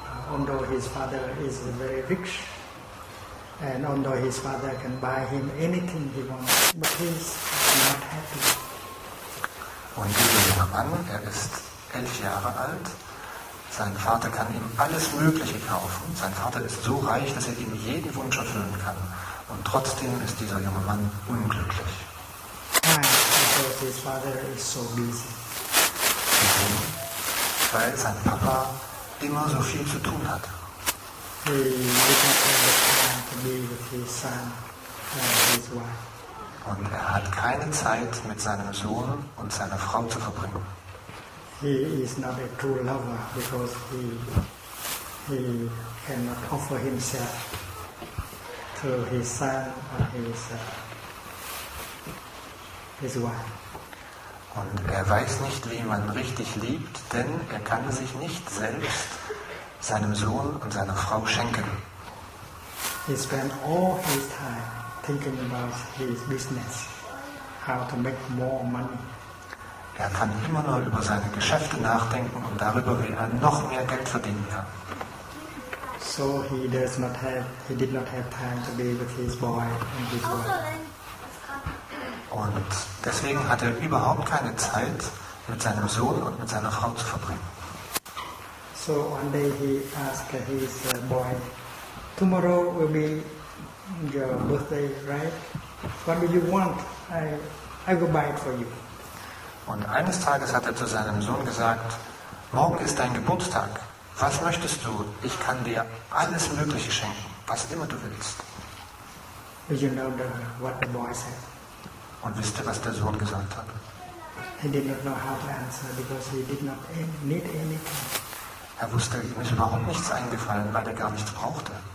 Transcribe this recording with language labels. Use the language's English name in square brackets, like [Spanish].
[English] Although his father is very rich, and although his father can buy him anything he wants, but he's not happy. [German] Und dieser junge Mann, er ist 11 Jahre alt. Sein Vater kann ihm alles Mögliche kaufen. Sein Vater ist so reich, dass er ihm jeden Wunsch erfüllen kann. Und trotzdem ist dieser junge Mann unglücklich. [English] Why? Because his father is so busy. [German] Weil sein Papa immer so viel zu tun hat. [English] He doesn't have the time to be with his son and his wife. [German] Und er hat keine Zeit mit seinem Sohn und seiner Frau zu verbringen. [English] He is not a true lover because he cannot offer himself to his son or his wife. [German] Und er weiß nicht, wie man richtig liebt, denn er kann sich nicht selbst seinem Sohn und seiner Frau schenken. [English] He spent all his time thinking about his business, how to make more money. [German] Er kann immer nur über seine Geschäfte nachdenken und darüber, wie er noch mehr Geld verdienen kann. [English] So he did not have time to be with his boy and his wife. [German] Und deswegen hat er überhaupt keine Zeit mit seinem Sohn und mit seiner Frau zu verbringen. [English] So one day he asked his boy, tomorrow will be your birthday, right? What do you want? I will buy it for you. [German] Und eines Tages hat er zu seinem Sohn gesagt, morgen ist dein Geburtstag. Was möchtest du? Ich kann dir alles Mögliche schenken, was immer du willst. [English] Do you know what the boy said? [German] Und wisst ihr, was der Sohn gesagt hat? [English] He did not know how to answer because he did not need anything. [German] Er wusste, ihm ist überhaupt nichts eingefallen, weil er gar nichts brauchte.